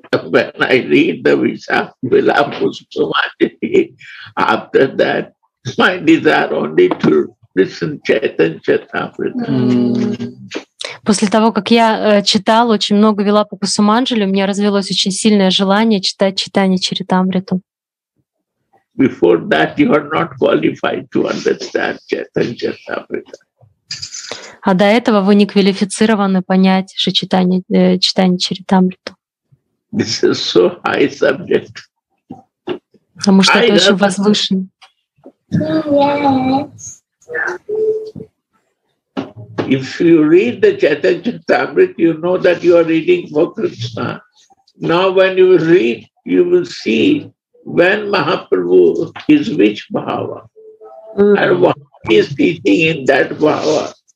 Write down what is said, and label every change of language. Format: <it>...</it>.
<en>When I read the Vishakhapatnam, after that, my desire only to listen Chaitanya Charitamrita.</en> <ru>После того, как я читал очень много Вилапакусуманджали, у меня развилось очень сильное желание читать Чайтанья Чаритамриту.</ru> <en>Before that, you are not qualified to understand Chaitanya Charitamrita.</en> <ru>А до этого вы не квалифицированы понять читание Чаритамриту.</ru> <en>This is so high subject.</en> <ru>Потому что это очень возвышенно.</ru> <en>Yes. If you read the Chaitanya Charitamrita, you know that you are reading for Krishna. Now when you read, you will see when Mahaprabhu is which bhava. Mm-hmm. And what he is teaching in that bhava.</en>